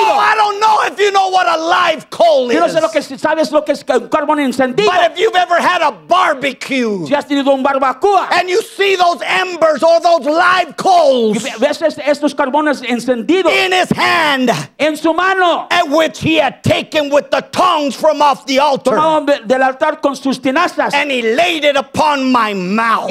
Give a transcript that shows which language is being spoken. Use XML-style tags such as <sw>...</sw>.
<en>Oh, I don't know if you know what a live coal is.</en> <es>Yo no sé lo que sabes lo que es carbón encendido.</es> <en>But if you've ever had a barbecue.</en> <es>Si has tenido un barbacoa.</es> <en>And you see those embers or those live coals.</en> <es>Ves estos carbones encendidos.</es> <en>In his hand.</en> <es>En su mano.</es> <en>At which he had taken with the tongs from off the altar.</en> <es>Tomado del altar con sus tenazas.</es> <en>And he laid it upon my mouth.</en>